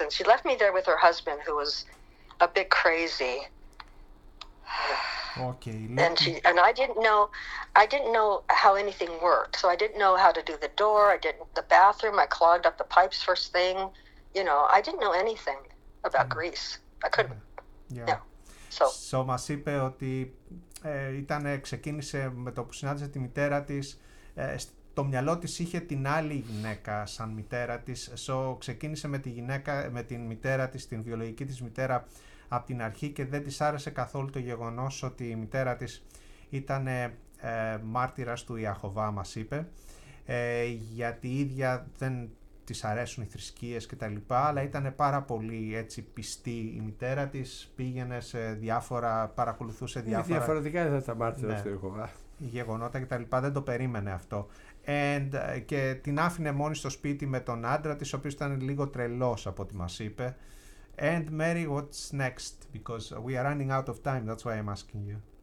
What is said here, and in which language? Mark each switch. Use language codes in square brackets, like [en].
[en] And she left me there with her husband, who was a bit crazy. Okay. And she and I didn't know how anything worked. So I didn't know how to do the door. I didn't the bathroom. I clogged up the pipes first thing. You know, I didn't know anything about Greece. I couldn't. [el] So μας είπε ότι ξεκίνησε με το που συνάντησε τη μητέρα της. Το μυαλό της είχε την άλλη γυναίκα σαν μητέρα της. So, ξεκίνησε με τη γυναίκα, με την μητέρα της, την βιολογική της μητέρα από την αρχή και δεν της άρεσε καθόλου το γεγονός ότι η μητέρα της ήταν μάρτυρας του Ιαχωβά, μας είπε, γιατί η ίδια δεν της αρέσουν οι θρησκείες και τα λοιπά, αλλά ήταν πάρα πολύ έτσι πιστή η μητέρα της, πήγαινε σε διάφορα, παρακολουθούσε διάφορα... Είναι διαφορετικά ήταν τα μάρτυρα του Ιαχωβά. Γεγονότα και τα λοιπά, δεν το περίμενε αυτό. And, και την άφηνε μόνη στο σπίτι με τον άντρα της, ο οποίος ήταν λίγο τρελός από ό,τι μας είπε. [en] And Mary, what's next? Because we are running out of time, that's why I'm asking you.